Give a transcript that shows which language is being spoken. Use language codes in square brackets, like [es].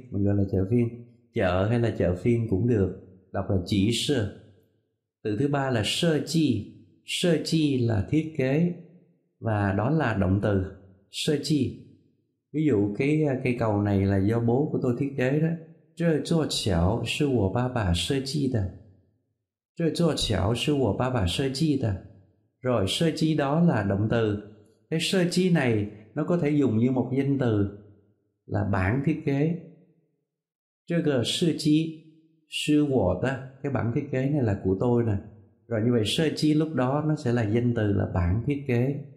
[vi] Mình gọi là chợ phiên, chợ hay là chợ phiên cũng được, đọc là chỉ sơ. Từ thứ ba là sơ chi. Sơ chi là thiết kế, và đó là động từ sơ chi. Ví dụ cái cây cầu này là do bố của tôi thiết kế đó. [zh] 这座桥是我爸爸设计的.这座桥是我爸爸设计的. [vi] Rồi, sơ chi đó là động từ. Cái sơ chi này nó có thể dùng như một danh từ là bản thiết kế. [zh] 这个设计是我的. [vi] Cái bản thiết kế này là của tôi nè. Rồi như vậy, sơ chi lúc đó nó sẽ là danh từ là bản thiết kế.